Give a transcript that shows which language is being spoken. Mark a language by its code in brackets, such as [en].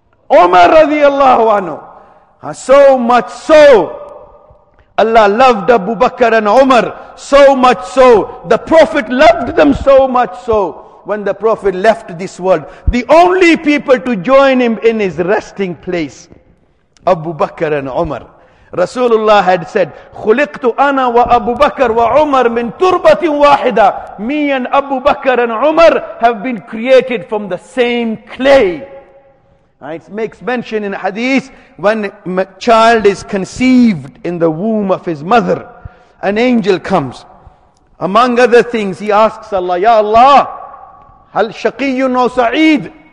[en] Umar radiallahu anhu. So much so, Allah loved Abu Bakr and Umar, so much so, the Prophet loved them so much so, when the Prophet left this world, the only people to join him in his resting place, Abu Bakr and Umar. Rasulullah had said, [ar] خُلِقْتُ أَنَا وَأَبُو بَكَرْ وَعُمَرْ مِنْ تُرْبَةٍ وَاحِدًا. [en] Me and Abu Bakr and Umar have been created from the same clay. It makes mention in hadith, when a child is conceived in the womb of his mother, an angel comes. Among other things, he asks Allah, Ya Allah, [ar] hal shaqiyun aw sa'id?